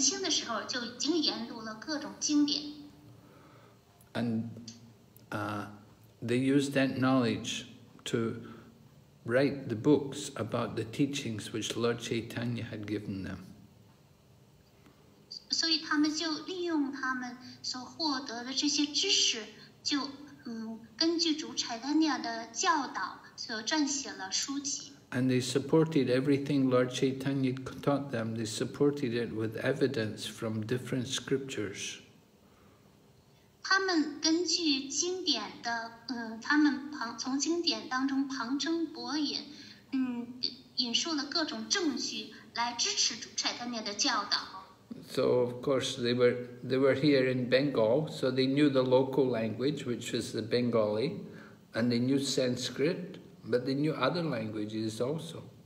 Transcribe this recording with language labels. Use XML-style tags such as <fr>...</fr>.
<zh>为穆斯林政府效力之前，年轻的时候就已经研读了各种经典。</zh> <en>And they used that knowledge to write the books about the teachings which Lord Chaitanya had given them.</en> <zh>所以他们就利用他们所获得的这些知识，就根据主柴丹尼亚的教导所撰写了书籍。</zh> <en>And they supported everything Lord Chaitanya taught them. They supported it with evidence from different scriptures.</en> <zh>他们根据经典的，他们从经典当中旁征博引，引述了各种证据来支持主柴丹尼亚的教导。</zh> <en>So of course they were here in Bengal, so they knew the local language, which was the Bengali, and they knew Sanskrit, but they knew other languages also.</en>